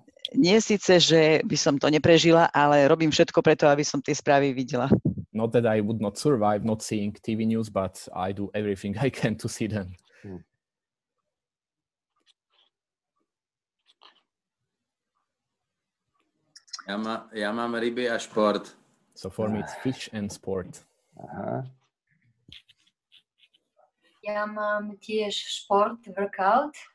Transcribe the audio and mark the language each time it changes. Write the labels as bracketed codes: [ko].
[sk] Nie síce, že by som to neprežila, ale robím všetko preto, aby som tie správy videla. [en] Not that I would not survive not seeing TV news, but I do everything I can to see them. [sk] Ja mám ryby a šport. [en] So for me it's fish and sport. Uh-huh. [sk] Ja mám tiež šport, workout.